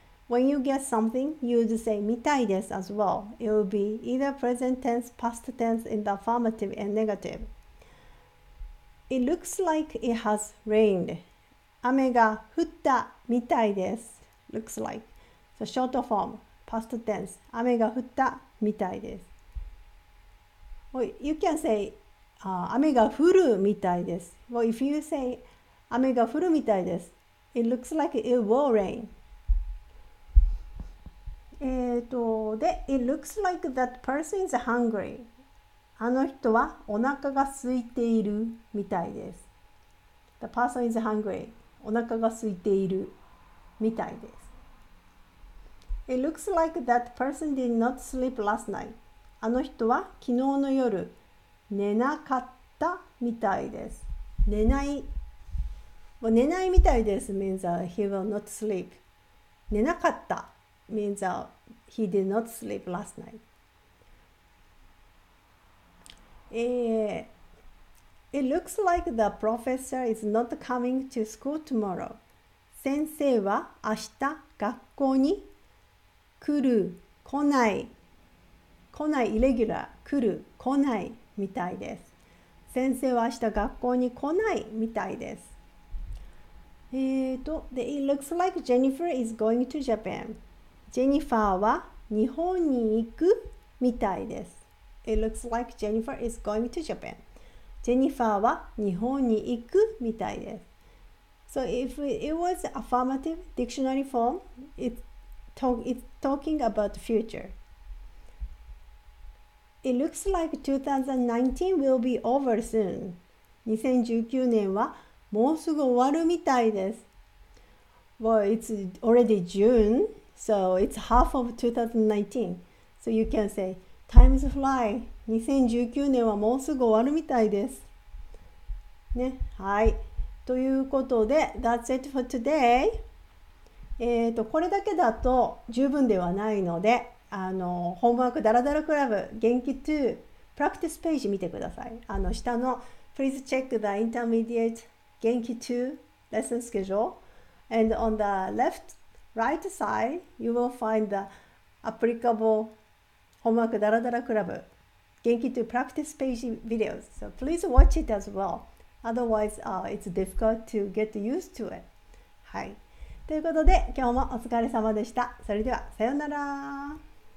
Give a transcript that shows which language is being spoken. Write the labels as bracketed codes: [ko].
[en] When you get something, you would say [ja] みたいです [en] as well. It will be either present tense, past tense, in the affirmative and negative. It looks like it has rained. [ja] 雨が降ったみたいです。 [en] Looks like. So short form, past tense. [ja] 雨が降ったみたいです。 Well, you can say 雨が降るみたいです。 [en] Well, if you say [ja] 雨が降るみたいです、 [en] it looks like it will rain. [ja] で、 [en] It looks like that person is hungry. [ja] あの人はお腹が空いているみたいです。 [en] The person is hungry. [ja] お腹が空いているみたいです。 [en] It looks like that person did not sleep last night. [ja] あの人は昨日の夜寝なかったみたいです。寝ない。もう寝ないみたいです。 [en] means he will not sleep. [ja] 寝なかった。 [en] means he did not sleep last night. It looks like the professor is not coming to school tomorrow. [ja] 先生は明日学校に来る、来ない、来ない、イレギュラー、来る、来ないみたいです。先生は明日学校に来ないみたいです。 [en] It looks like Jennifer is going to Japan. [ja] ジェニファーは日本に行くみたいです。 [en] It looks like Jennifer is going to Japan. [ja] ジェニファーは日本に行くみたいです。 [en] So if it was affirmative dictionary form, it's talking about future. It looks like 2019 will be over soon. [ja] 2019年はもうすぐ終わるみたいです。 [en] Well, it's already June, so it's half of 2019. So you can say, times fly. [ja] 2019年はもうすぐ終わるみたいです。ね、はい。ということで、 [en] That's it for today. [ja] これだけだと十分ではないので、ホームワークダラダラクラブ元気2プラクティスページ見てください。下の [en] Please check the intermediate 元気2 lesson schedule. And on the left, right side, you will find the applicable ホームワークダラダラクラブ元気2プラクティスページ videos. So please watch it as well. Otherwise, it's difficult to get used to it. [ja] はい。ということで、今日もお疲れ様でした。それでは、さようなら。